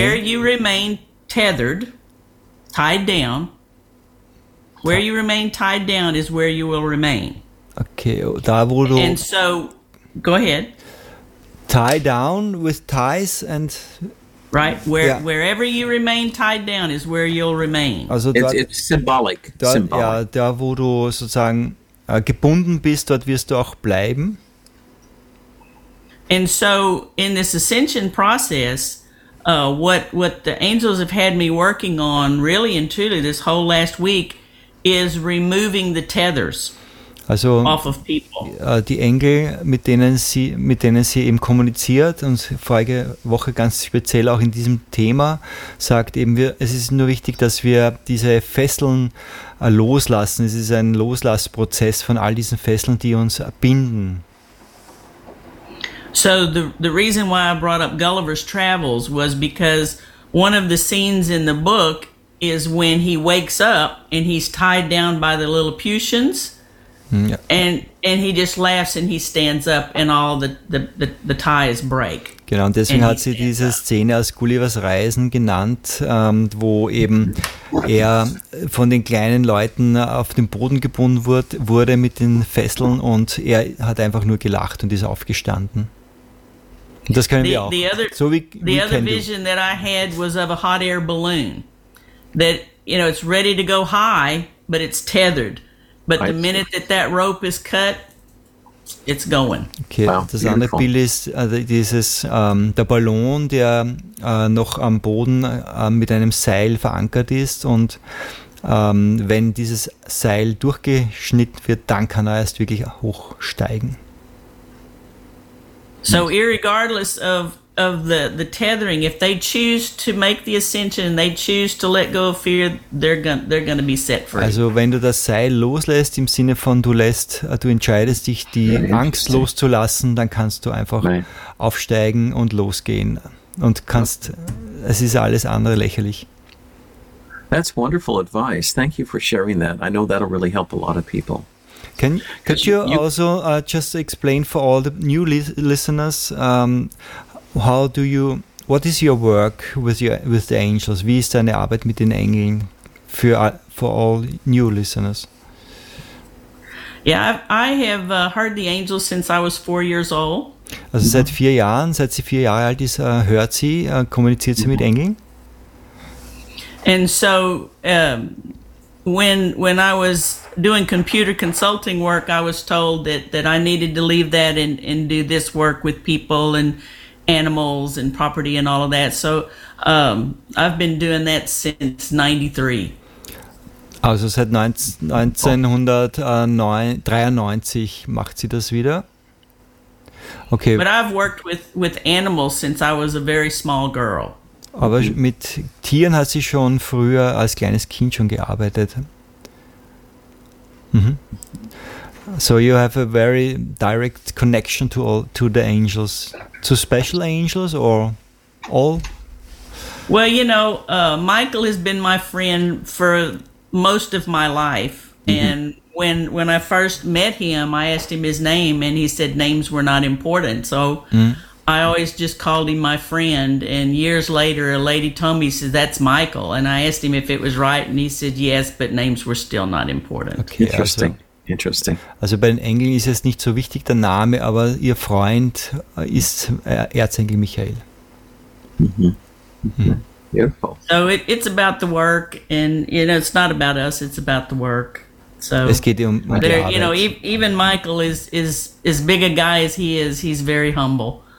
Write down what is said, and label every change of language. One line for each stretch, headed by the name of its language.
English: Where you remain tethered, tied down, where you remain tied down is where you will remain.
German: Okay. Da wurde.
English: And so, go ahead. Tie down with ties and... Right, where yeah. wherever you remain tied down is where you'll remain.
German: Also dort,
English: it's symbolic.
German: Dort,
English: symbolic.
German: Ja, da wo du sozusagen gebunden bist, dort wirst du auch bleiben.
English: And so in this ascension process, what the angels have had me working on really and truly this whole last week is removing the tethers.
German: Also
English: off of people.
German: Die Engel, mit denen sie eben kommuniziert und vorige Woche ganz speziell auch in diesem Thema, sagt eben, es ist nur wichtig, dass wir diese Fesseln loslassen. Es ist ein Loslassprozess von all diesen Fesseln, die uns binden.
English: So the reason why I brought up Gulliver's Travels was because one of the scenes in the book is when he wakes up and he's tied down by the Lilliputians. Yeah. And he just laughs and he stands up and all the ties break.
German: Genau, und deswegen hat sie diese Szene aus Gullivers Reisen genannt, wo eben er von den kleinen Leuten auf den Boden gebunden wurde mit den Fesseln und er hat einfach nur gelacht und ist aufgestanden. Und das können wir auch.
English: The other vision that I had was of a hot air balloon that, you know, it's ready to go high, but it's tethered. But the minute that rope is cut, it's going.
German: Okay, wow, das andere Bild ist dieses der Ballon, der noch am Boden mit einem Seil verankert ist. Und wenn dieses Seil durchgeschnitten wird, dann kann er erst wirklich hochsteigen.
English: So irregardless of the tethering, if they choose to make the ascension and they choose to let go of fear, they're going to be set free.
German: Also wenn du das Seil loslässt, im Sinne von du entscheidest dich, die Angst loszulassen, dann kannst du einfach aufsteigen und losgehen. Und kannst, es ist alles andere lächerlich.
English: That's wonderful advice. Thank you for sharing that. I know that'll really help a lot of people. Could you also just explain for all the new listeners, what is your work with the angels?
German: Wie ist deine Arbeit mit den Engeln
English: for all new listeners? Yeah, I have heard the angels since I was 4 years old.
German: Also seit sie 4 Jahre alt ist, hört sie, kommuniziert sie mit Engeln?
English: And so when I was doing computer consulting work, I was told that I needed to leave that and do this work with people and animals and property and all of that. So I've been doing that since 93.
German: Also seit 1993 macht sie das wieder. Okay.
English: But I've worked with animals since I was a very small girl.
German: Aber mit Tieren hat sie schon früher als kleines Kind schon gearbeitet. Mhm.
English: So you have a very direct connection to the angels, to special angels or all? Well, you know, Michael has been my friend for most of my life. Mm-hmm. And when I first met him, I asked him his name and he said names were not important. So I always just called him my friend. And years later, a lady told me, says, that's Michael. And I asked him if it was right. And he said, yes, but names were still not important. Okay, interesting. Interesting.
German: Also bei den Engeln ist es nicht so wichtig, der Name, aber ihr Freund ist Erzengel Michael. Mm-hmm. Mm-hmm.
English: Beautiful. So it's about the work and, you know, it's not about us, it's about the work. So
German: es geht um die
English: there,
German: Arbeit.
English: You know, even Michael is as big a guy as he is, he's very humble.